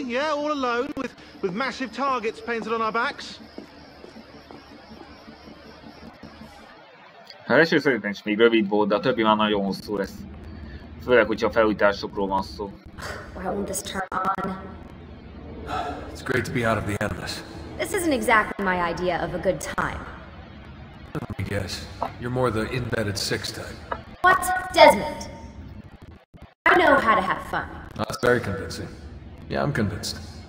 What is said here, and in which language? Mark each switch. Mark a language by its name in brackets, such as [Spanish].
[English] Yeah, all alone, with massive targets painted on our backs. [Hungarian] Ha első szerintem is még rövid volt, de a többi már nagyon hosszú lesz. Főleg, hogyha a felújításokról van szó. [English] It's great to be out of the endless. This isn't exactly my idea of a good time. Let me guess. You're more the embedded six type. What? Desmond! I know how to have fun. That's very convincing. Yeah, I'm convinced.